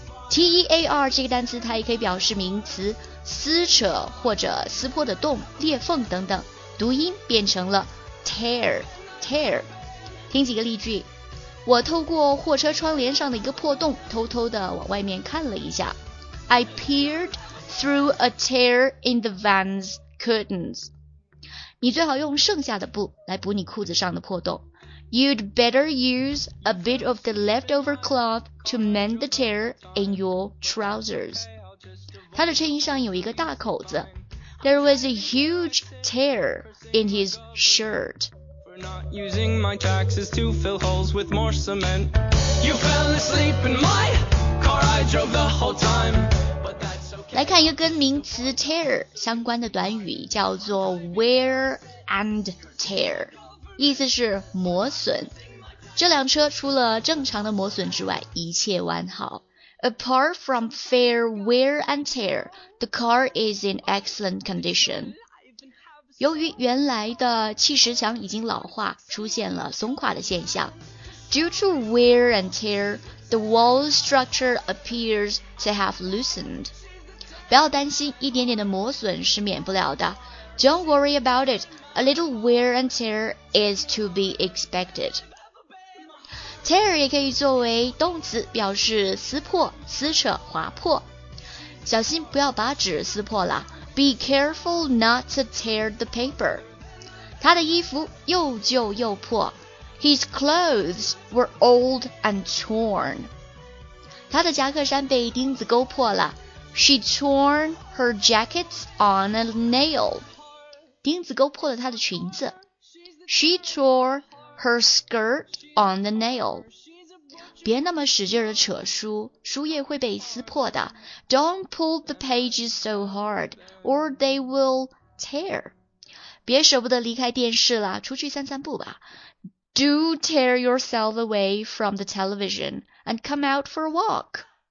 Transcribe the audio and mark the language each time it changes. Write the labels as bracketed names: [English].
[Chinese] T-E-A-R 这个单词它也可以表示名词撕扯或者撕破的洞、裂缝等等，读音变成了 tear, tear. 听几个例句，我透过货车窗帘上的一个破洞偷偷地往外面看了一下。 [English] I peered through a tear in the van's curtains. [Chinese] 你最好用剩下的布来补你裤子上的破洞。 [English] You'd better use a bit of the leftover cloth to mend the tear in your trousers. [Chinese] 他的衬衣上有一个大口子。 [English] There was a huge tear in his shirt. For not using my taxes to fill holes with more cement. You fell asleep in my car, I drove the whole time. But that's okay. [Chinese] 来看一个跟名词 tear 相关的短语，叫做 wear and tear. 意思是磨损，这辆车除了正常的磨损之外，一切完好。 [English] Apart from fair wear and tear, the car is in excellent condition. [Chinese] 由于原来的气实墙已经老化，出现了松垮的现象。 [English] Due to wear and tear, the wall structure appears to have loosened. [Chinese] 不要担心，一点点的磨损是免不了的。 [English] Don't worry about it. A little wear and tear is to be expected. [Chinese] Tear 也可以作为动词，表示撕破、撕扯、划破。小心不要把纸撕破了。 [English] Be careful not to tear the paper. [Chinese] 他的衣服又旧又破。 [English] His clothes were old and torn. [Chinese] 他的夹克衫被钉子勾破了。 [English] She torn her jackets on a nail. [Chinese] 钉子勾破了她的裙子。 [English] She tore her skirt on the nail. [Chinese] 别那么使劲的扯书，书页会被撕破的。 [English] Don't pull the pages so hard, or they will tear. [Chinese] 别舍不得离开电视了，出去散散步吧。 [English] Do tear yourself away from the television and come out for a walk.